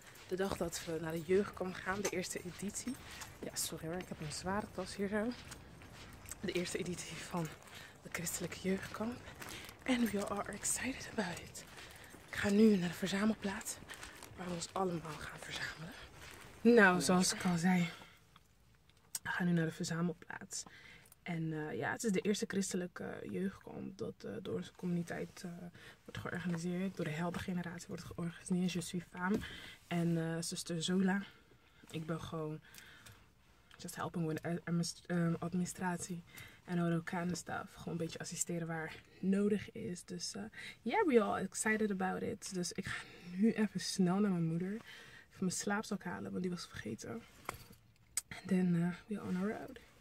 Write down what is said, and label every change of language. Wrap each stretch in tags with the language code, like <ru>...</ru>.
<nl>De dag dat we naar de jeugd komen gaan, de eerste editie. Ja, sorry hoor, ik heb een zware tas hier zo. De eerste editie van de christelijke jeugdkamp.</nl> <en>And we are excited about it.</en> <nl>Ik ga nu naar de verzamelplaats waar we ons allemaal gaan verzamelen. Nou, zoals ik al zei, we gaan nu naar de verzamelplaats. En het is de eerste christelijke jeugdkamp dat door onze communiteit wordt georganiseerd. Door de heldengeneratie wordt georganiseerd.</nl> <fr>Je suis femme.</fr> <nl>En zuster Zola. Ik ben gewoon</nl> <en>just helping with administratie en all kind of stuff.</en> <nl>Gewoon een beetje assisteren waar nodig is. Dus</nl> <en>we all excited about it.</en> <nl>Dus ik ga nu even snel naar mijn moeder. Even mijn slaapzak halen, want die was vergeten.</nl> <en>And then we're on our road.</en>